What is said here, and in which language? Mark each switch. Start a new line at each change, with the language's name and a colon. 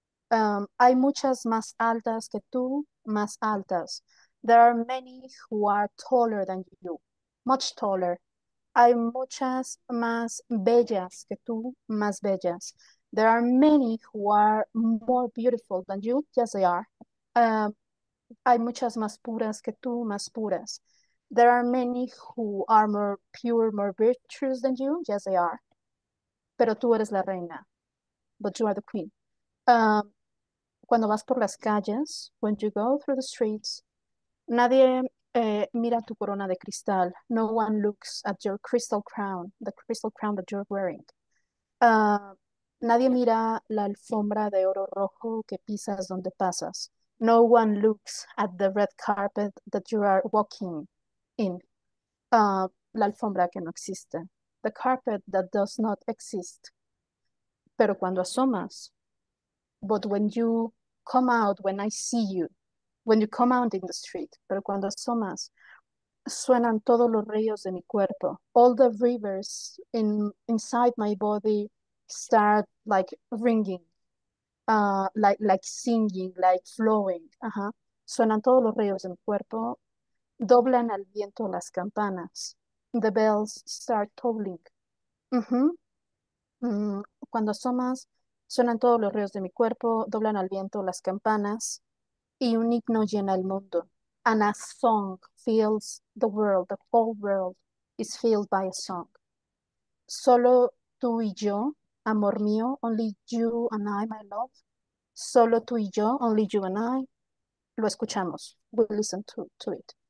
Spanish: Hay muchas más altas que tú, más altas.
English: There are many who are taller than you, much taller.
Spanish: Hay muchas más bellas que tú, más bellas.
English: There are many who are more beautiful than you, yes they are.
Spanish: Hay muchas más puras que tú, más puras.
English: There are many who are more pure, more virtuous than you, yes they are.
Spanish: Pero tú eres la reina,
English: but you are the queen.
Spanish: Cuando vas por las calles,
English: when you go through the streets,
Spanish: nadie mira tu corona de cristal.
English: No one looks at your crystal crown, the crystal crown that you're wearing.
Spanish: Nadie mira la alfombra de oro rojo que pisas donde pasas.
English: No one looks at the red carpet that you are walking in.
Spanish: La alfombra que no existe.
English: The carpet that does not exist.
Spanish: Pero cuando asomas,
English: but when you come out, when I see you, when you come out in the street,
Spanish: pero cuando asomas, suenan todos los ríos de mi cuerpo.
English: All the rivers inside my body start like ringing, like singing, like flowing.
Spanish: Suenan todos los ríos de mi cuerpo. Doblan al viento las campanas.
English: The bells start tolling.
Spanish: Cuando asomas, suenan todos los ríos de mi cuerpo, doblan al viento las campanas, y un himno llena el mundo.
English: And a song fills the world, the whole world is filled by a song.
Spanish: Solo tú y yo, amor mío,
English: only you and I, my love.
Spanish: Solo tú y yo,
English: only you and I,
Spanish: lo escuchamos.
English: We listen to it.